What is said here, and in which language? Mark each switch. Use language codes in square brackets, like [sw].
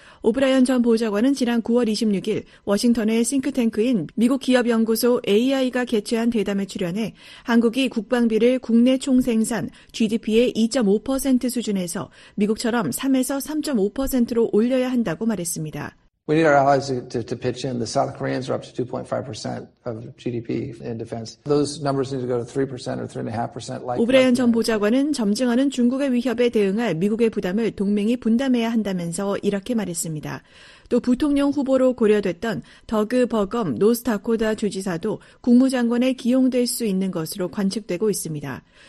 [ko] 오브라이언 전 보좌관은 지난 9월 26일 워싱턴의 싱크탱크인 미국 기업연구소 AI가 개최한 대담에 출연해 한국이 국방비를 국내 총생산 GDP의 2.5% 수준에서 미국처럼 3에서 3.5%로 올려야 한다고 말했습니다. [en] We need our allies to pitch in. The South Koreans are up to 2.5% of GDP in defense. Those numbers need to go to 3% or 3.5%. [ko] 오브라이언 전 보좌관은 점증하는 중국의 위협에 대응할 미국의 부담을 동맹이 분담해야 한다면서 이렇게 말했습니다. 또 부통령 후보로 고려됐던 더그 버검 노스다코다 주지사도 국무장관에 기용될 수 있는 것으로 관측되고 있습니다.